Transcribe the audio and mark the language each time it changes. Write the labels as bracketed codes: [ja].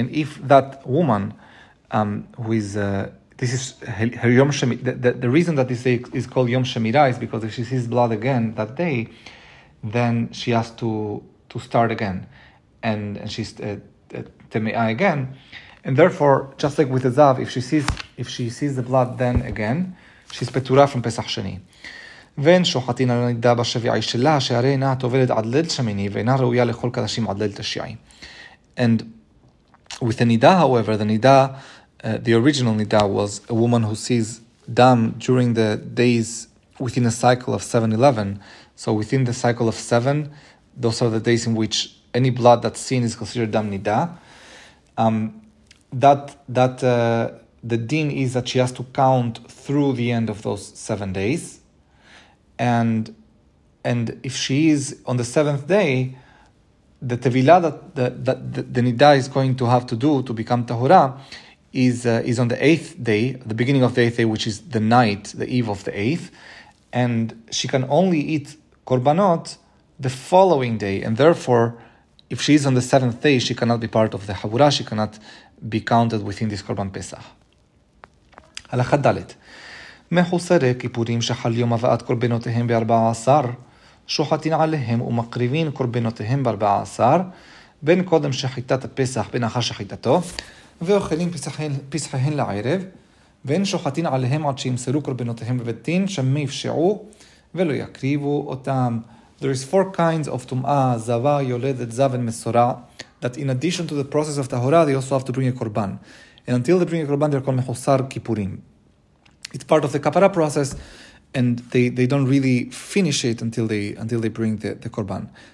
[en] And if that woman, this is her Yom Shemira, the reason that this is called Yom Shemira is because if she sees blood again that day, then she has to start again, and she's teme'a again. And therefore, just like with the Zav, if she sees the blood then again, she's petura from Pesach Sheni. [he] ואין שוחטין על הנידה בשביעי שלה, שהרי אינה תובלת עד ליל שמיני, ואינה ראויה לכל קדשים עד ליל תשיעי. [en] And with the nida, however, the nida, the original nida was a woman who sees dam during the days within a cycle of 7-11. So within the cycle of 7, those are the days in which any blood that's seen is considered dam nida. The din is that she has to count through the end of those 7 days. And if she is on the seventh day, the tevilah that the nida is going to have to do to become tahura is on the eighth day, the beginning of the eighth day, which is the night, the eve of the eighth. And she can only eat korbanot the following day. And therefore, if she is on the seventh day, she cannot be part of the havura. She cannot be counted within this korban pesach. [he] הלכה דלת. מחוסרי כיפורים שחל יום הבאת קורבנותיהם ב-14, שוחטין עליהם ומקריבין קורבנותיהם ב-14, בין קודם שחיטת הפסח, בין אחר שחיטתו, ואוכלים פסחיהן לערב, ואין שוחטין עליהם עד שימסרו קורבנותיהם בבית דין, שם יפשעו ולא יקריבו אותם. [en] There is four kinds of tum'ah, zava, yoledet, zav, and mesora, that in addition to the process of tahora, they also have to bring a korban. And until they bring a korban, they're called mechusar kippurim. It's part of the kapara process, and they don't really finish it until they bring the korban.